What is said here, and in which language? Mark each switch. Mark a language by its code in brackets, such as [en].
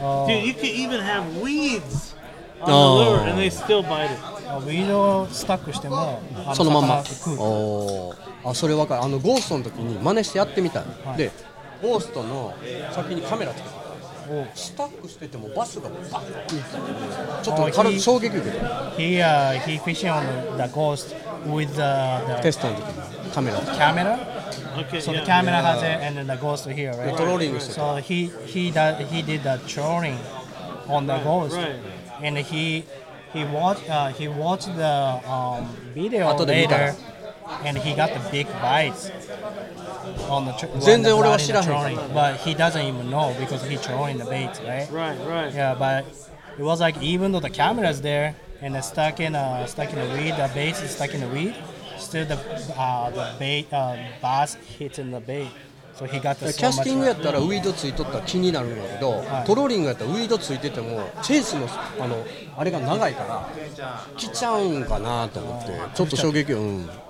[en] Dude, you could even have weeds on the lure and they still bite it. [ja] ウィードをスタックしてもそのまんま。あそれ分かる。ゴーストの時に真似してやってみた。で。ゴーストの先にカメラつけた。スタックしててもバスがバッと行った。ちょっと衝撃受けた。 [en] He fishing on the ghost with the [ja] テストの時のカメラ。カメラ [en] Okay, so the camera has it and then the ghost here, right? [ja] トローリングしてた。 [en] So he did the trolling on the ghost. Right. And he watched the video later and he got the big bites. [ja] 全然俺は知らへん。 [en] But he doesn't even know because he's throwing the bait, right? Right, right. Yeah, but it was like even though the camera's there and it's stuck in the weed, the bait is stuck in the weed, still the bass hitting the bait. So he got the [ja] キャスティングやったらウィードついとったら気になるんだけど、はい、トローリングやったらウィードついててもチェイスの あれが長いから来ちゃうんかなと思って、ちょっと衝撃を、うん、